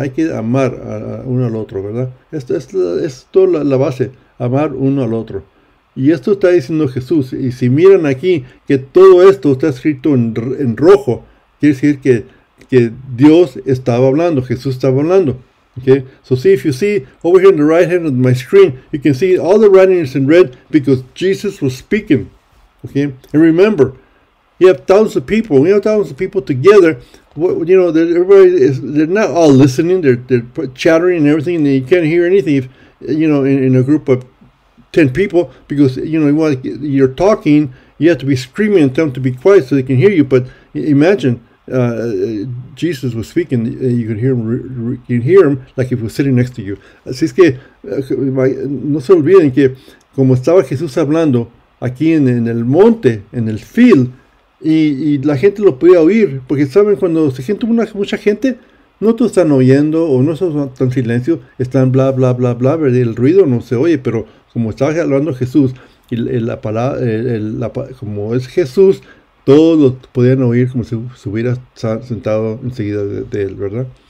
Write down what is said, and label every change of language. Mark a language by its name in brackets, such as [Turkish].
[Spanish] Hay que amar a uno al otro, ¿verdad? Esto es la base, amar uno al otro. Y esto está diciendo Jesús. Y si miran aquí que todo esto está escrito en rojo, quiere decir que Dios estaba hablando, Jesús estaba hablando. [English] Okay, so see, if you see over here on the right hand of my screen, you can see all the writing is in red because Jesus was speaking. Okay, and remember, you have thousands of people. We have thousands of people together. They're not all listening. They're chattering and everything, and you can't hear anything. In a group of 10 people, because you're talking, you have to be screaming and tell them to be quiet so they can hear you. But imagine. Jesus was speaking, you can hear him, like if he was sitting next to you. [Spanish] Así es que no se olviden que como estaba Jesús hablando aquí en el monte, en el field, y la gente lo podía oír, porque saben, cuando se siente mucha gente, no todos están oyendo o no están en silencio, están bla bla bla bla, el ruido no se oye, pero como estaba hablando Jesús y la palabra, como es Jesús, todos lo podían oír como si se hubiera sentado enseguida de él, ¿verdad?